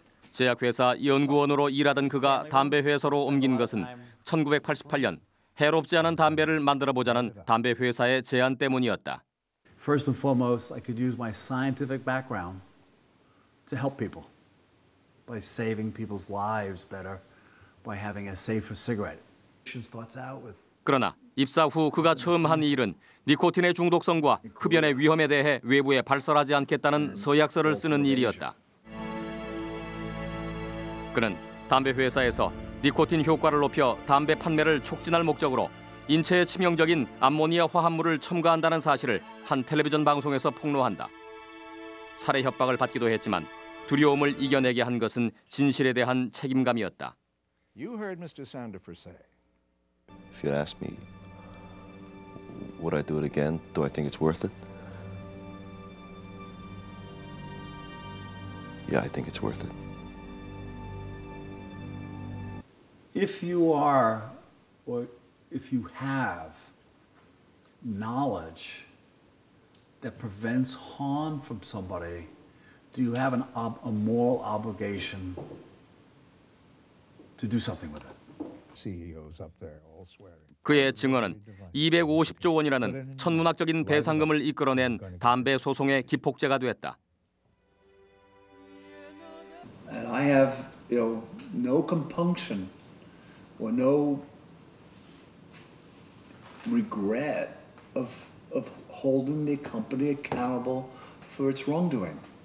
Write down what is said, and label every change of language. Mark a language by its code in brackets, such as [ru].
[ko] 제약회사 연구원으로 일하던 그가 담배 회사로 옮긴 것은 1988년 해롭지 않은 담배를 만들어 보자는 담배 회사의 제안 때문이었다. [en] First and foremost, I could use my scientific background to help people by saving people's lives better. By having a safer cigarette. [ko] 그러나 입사 후 그가 처음 한 일은 니코틴의 중독성과 흡연의 위험에 대해 외부에 발설하지 않겠다는 서약서를 쓰는 일이었다. 그는 담배 회사에서 니코틴 효과를 높여 담배 판매를 촉진할 목적으로 인체에 치명적인 암모니아 화합물을 첨가한다는 사실을 한 텔레비전 방송에서 폭로한다. 살해 협박을 받기도 했지만 두려움을 이겨내게 한 것은 진실에 대한 책임감이었다. [en] You heard Mr. Sandifer say. If you ask me, would I do it again? Do I think it's worth it? Yeah, I think it's worth it. If you are, or if you have knowledge that prevents harm from somebody, Do you have a moral obligation to do something with it? CEOs up there all swearing. [ko] 그의 증언은 250조 원이라는 천문학적인 배상금을 이끌어낸 담배 소송의 기폭제가 되었다. [en] And I have, you know, no compunction or no regret of holding the company accountable for its wrongdoing.